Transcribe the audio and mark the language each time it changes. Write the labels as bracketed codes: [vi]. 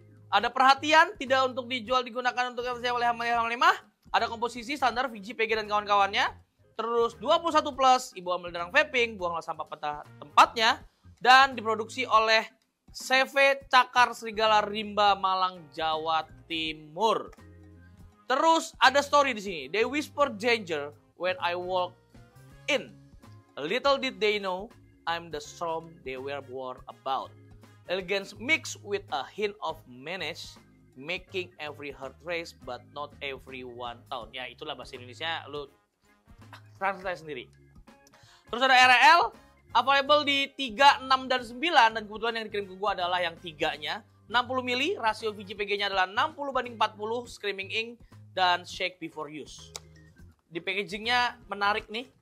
[id] Ada perhatian, tidak untuk dijual digunakan untuk FC55. Ada komposisi standar VG, PG, dan kawan-kawannya. Terus 21 plus, ibu ambil darang vaping, buanglah sampah pada tempatnya. Dan diproduksi oleh CV Cakar Serigala Rimba Malang Jawa Timur. Terus ada story di sini. [en] They whisper danger when I walk in. Little did they know I'm the storm they were worried about. Elegance mixed with a hint of menace, making every heart race but not every one town. [id] Ya itulah bahasa Indonesia. Lu translate sendiri. Terus ada RL. Available di 3, 6, dan 9. Dan kebetulan yang dikirim ke gue adalah yang 3-nya. 60 mili. Rasio VGPG-nya adalah 60:40. Screaming Ink. Dan [en] Shake Before Use. [id] Di packaging-nya menarik nih.